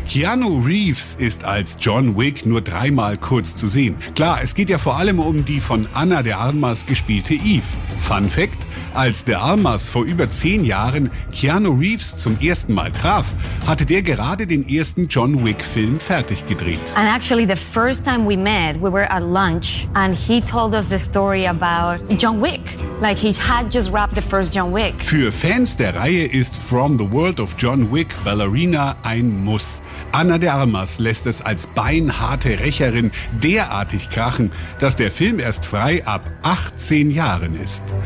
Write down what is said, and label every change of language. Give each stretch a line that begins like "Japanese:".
German: Keanu Reeves ist als John Wick nur dreimal kurz zu sehen. Klar, es geht ja vor allem um die von Ana de Armas gespielte Eve. Fun Fact, Als De Armas vor über 10 Jahren Keanu Reeves zum ersten Mal traf, hatte der gerade den ersten John Wick-Film fertig gedreht.
English: And actually the first time we met, we were at lunch and he told us the story about John Wick. Like he had just wrapped the first John Wick.
German: Für Fans der Reihe ist From the World of John Wick Ballerina ein Muss. Ana de Armas lässt es als beinharte Rächerin derartig krachen, dass der Film erst frei ab 18 Jahren ist.